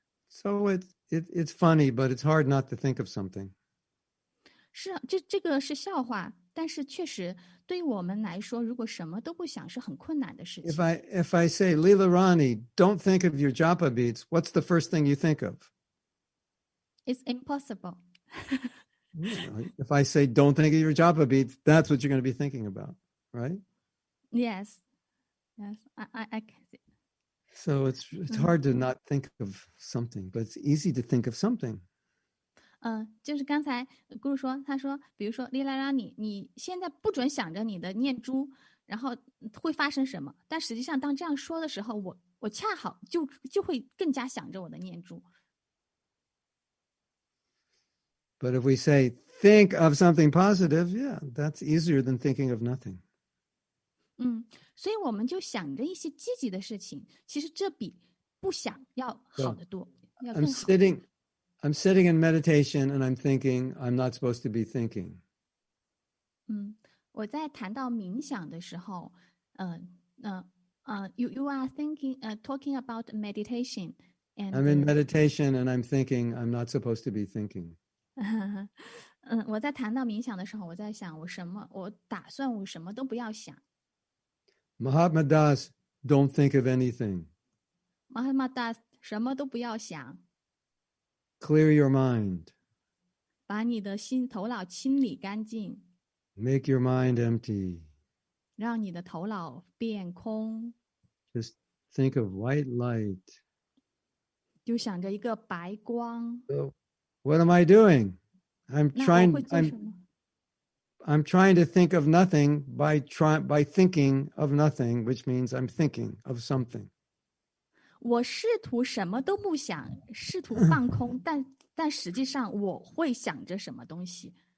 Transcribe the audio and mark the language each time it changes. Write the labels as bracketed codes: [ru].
[en] So it's funny, but it's hard not to think of something. [zh] 是这个是笑话。但是确实对于我们来说如果什么都不想是很困难的事情。 [en] If I say, Leela Rani, don't think of your Japa beads, what's the first thing you think of? It's impossible. If I say, don't think of your Japa beads, that's what you're going to be thinking about, right? Yes. Yes, I can see. So it's hard to not think of something, but it's easy to think of something. [zh] 就是刚才Guru说，他说，比如说Leela Rani，你现在不准想着你的念珠，然后会发生什么？但实际上，当这样说的时候，我恰好就会更加想着我的念珠。 [en] But if we say think of something positive, yeah, that's easier than thinking of nothing. [zh] 所以我们就想着一些积极的事情，其实这比不想要好得多，要更好。 [en] I'm sitting in meditation and I'm thinking I'm not supposed to be thinking. [zh] 我在谈到冥想的时候， [en] you are thinking, talking about meditation. And, I'm in meditation and I'm thinking I'm not supposed to be thinking. [zh] 我在谈到冥想的时候，我在想我什么，我打算我什么都不要想。 [en] Mahatma Das, don't think of anything. [zh] Mahatma Das, 什么都不要想。 [en] Clear your mind. [zh] 把你的心头脑清理干净。 [en] Make your mind empty. [zh] 让你的头脑变空。 [en] Just think of white light. [zh] 就想着一个白光。 [en] So, what am I doing? I'm trying to think of nothing by thinking of nothing, which means I'm thinking of something. [zh] 我试图什么都不想，试图放空，但实际上我会想着什么东西。